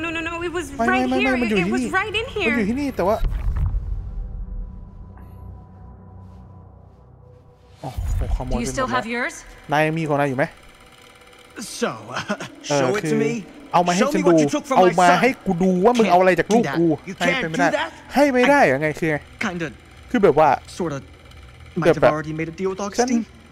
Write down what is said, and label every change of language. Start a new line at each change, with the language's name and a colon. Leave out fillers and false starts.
English: No it was right here it was right in here
Thai: มันอยู่ที่นี่แต่ว่าโอ้โหขโมยไปหมดแล้ว
English: Do you still have yours
Thai: นายมีของนายอยู่ไหม
English: So show it to me
Thai: เอามาให้ฉันดูเอามาให้กูดูว่ามึงเอาอะไรจากลูกกูให้ไม่ได้ให้ไม่ได้ยังไงคือไง
English: Kind of
Thai: คือแบบว่า
English: Sort of might have already made a deal with Augustine